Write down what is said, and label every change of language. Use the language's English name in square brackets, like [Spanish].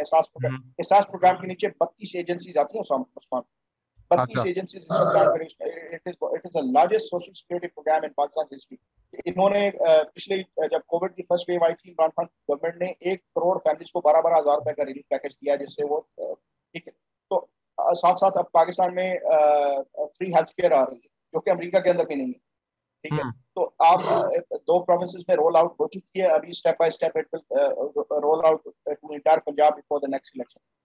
[Urdu] احساس پروگرام کے نیچے 32 ایجنسیز آتی ہیں عثمان, 32 ایجنسیز اس وقت کام کر رہی ہیں. [English] It is the largest social security programme in Pakistan history. [Urdu] انہوں نے پچھلے جب کووڈ کی فرسٹ ویو آئی تھی, عمران خان گورنمنٹ نے 1 کروڑ فیملیز کو 12,000 روپے کا ریلیف پیکج دیا, جس سے وہ ٹھیک ہے. تو ساتھ ساتھ اب پاکستان میں فری ہیلتھ کیئر آ رہی ہے, جو کہ امریکہ کے اندر بھی نہیں ہے. ٹھیک ہے, تو آپ دو پروونسز میں رول آؤٹ ہو چکی ہے, [English] ابھی step by step it will roll out to entire Punjab before the next election.